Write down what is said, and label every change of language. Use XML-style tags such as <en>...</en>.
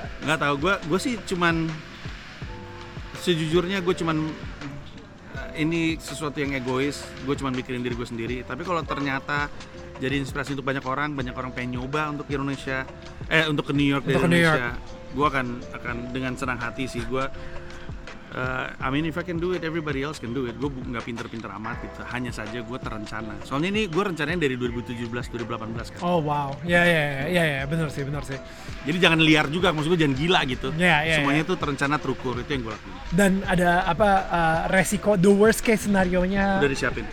<id>Nggak tahu, gue sih cuman... Sejujurnya gue cuman... ini sesuatu yang egois, gue cuman mikirin diri gue sendiri. Tapi kalau ternyata jadi inspirasi untuk banyak orang pengen nyoba untuk ke Indonesia, untuk ke New York dari Indonesia, gue akan dengan senang hati sih.</id> <en>Gue, I mean if I can do it, everybody else can do it.</en> <id>Gue nggak pinter-pinter amat gitu, hanya saja gue terencana. Soalnya ini gue rencananya dari 2017-2018 kan. Oh wow, ya, benar sih. Jadi jangan liar juga, maksud gue jangan gila gitu. Semuanya itu terencana, terukur, itu yang gue lakuin. Dan ada apa, resiko,</id> <en>the worst case scenario-</en> <id>nya. Udah disiapin.</id>